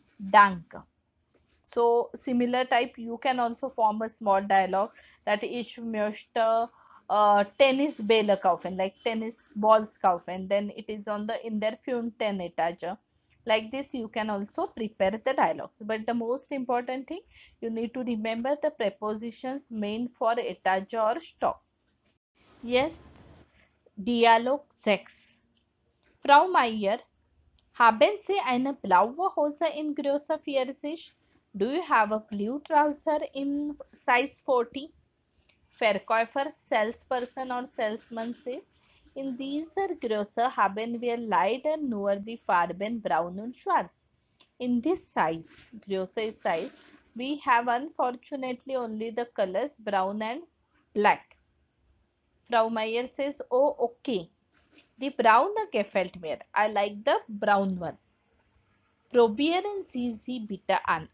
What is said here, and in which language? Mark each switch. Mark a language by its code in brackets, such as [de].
[en] Danke. So, similar type, you can also form a small dialogue that [de] ich möchte tennis Bälle kaufen, [en] like tennis balls [de] kaufen, [en] then it is on the [de] in der 5. Etage. [en] Like this, you can also prepare the dialogues. But the most important thing, you need to remember the prepositions main for Etage or Stock. Yes, Dialogue 6. [de] Frau Meier, haben Sie eine blaue Hose in Größe 40? [en] Do you have a blue trouser in size 40? [de] Verkäufer, [en] salesperson or salesman says, [de] in dieser Größe haben wir leider nur die Farben braun und schwarz. [en] In this size, Größe size, we have unfortunately only the colors brown and black. Frau Meier says, oh, okay. The brown [de] gefällt mir. [en] I like the brown one. [de] Probieren Sie sie bitte an.